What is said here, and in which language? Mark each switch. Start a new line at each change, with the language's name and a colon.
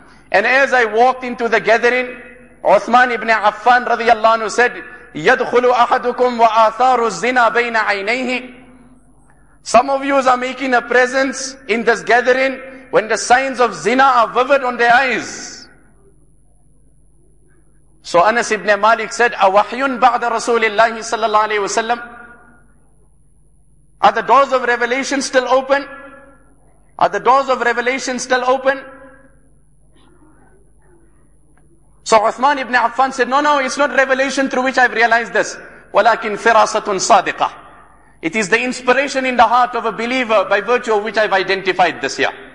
English: And as I walked into the gathering, Uthman ibn Affan radiallahu anhu said,
Arabic: يَدْخُلُ أَحَدُكُمْ وَآثَارُ الزِّنَا بَيْنَ عَيْنَيْهِ.
English: Some of you are making a presence in this gathering when the signs of zina are vivid on their eyes. So Anas ibn Malik said,
Arabic: أَوَحْيٌ بَعْدَ رَسُولِ اللَّهِ صَلَّى اللَّهُ عَلَيْهِ وَسَلَّمْ.
English: Are the doors of revelation still open? Are the doors of revelation still open? So Uthman ibn Affan said, no, it's not revelation through which I've realized this.
Arabic: وَلَكِنْ فِرَاسَةٌ صَادِقَةٌ.
English: It is the inspiration in the heart of a believer by virtue of which I've identified this here.